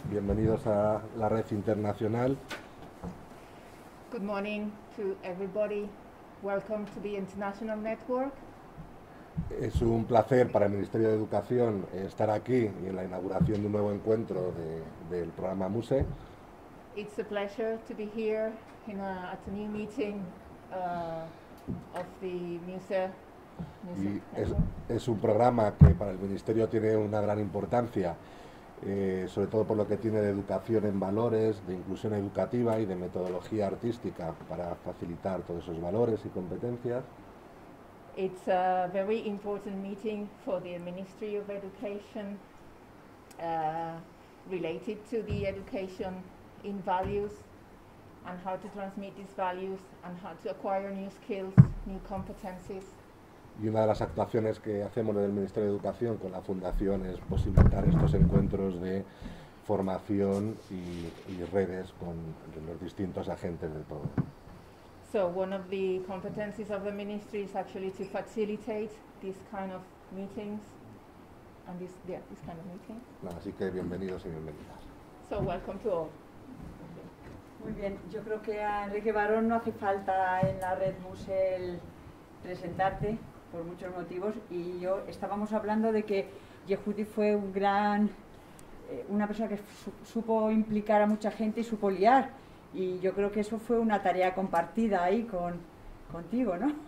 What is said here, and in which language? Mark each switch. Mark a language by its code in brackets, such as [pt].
[es] Bienvenidos a la red internacional. [en] Good morning to everybody. Welcome to the international network. [es] Es un placer para el Ministerio de Educación estar aquí y en la inauguración de un nuevo encuentro del programa MUSE. [en] It's a pleasure to be here at a new meeting of the MUSE. [es] Y es un programa que para el Ministerio tiene una gran importancia, sobre todo por lo que tiene de educación en valores, de inclusión educativa y de metodología artística para facilitar todos esos valores y competencias. [en] It's a very important meeting for the Ministry of Education related to the education in values and how to transmit these values and how to acquire new skills, new competencies. [es] Y una de las actuaciones que hacemos desde el Ministerio de Educación con la Fundación es posibilitar estos encuentros de formación y redes con los distintos agentes del poder. [en] So one of the competencies of the ministry is actually to facilitate this kind of meetings and this kind of meeting. [es] Así que bienvenidos y bienvenidas. [en] So welcome to all. [es] Muy bien, yo creo que a Enrique Barón no hace falta en la red MUSE el presentarte por muchos motivos, y yo estábamos hablando de que Yehudi fue un gran, una persona que supo implicar a mucha gente y supo liar, y yo creo que eso fue una tarea compartida ahí contigo, ¿no?